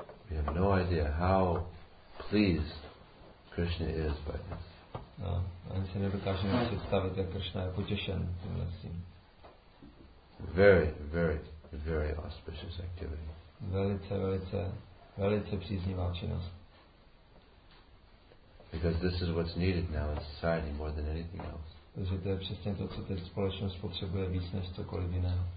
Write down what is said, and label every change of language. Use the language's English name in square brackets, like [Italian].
[English] We have no idea how pleased Krishna is by this. [Czech] No, ani se nedokážeme představit, jak Krishna je potěšen tímhle tím. [English] Very, very, very auspicious activity. [Czech] Velice, velice, velice příznivá činnost. [English] Because this is what's needed now in society more than anything else. [Czech] Takže to je přesně to, co teď společnost potřebuje víc než cokoliv jiného.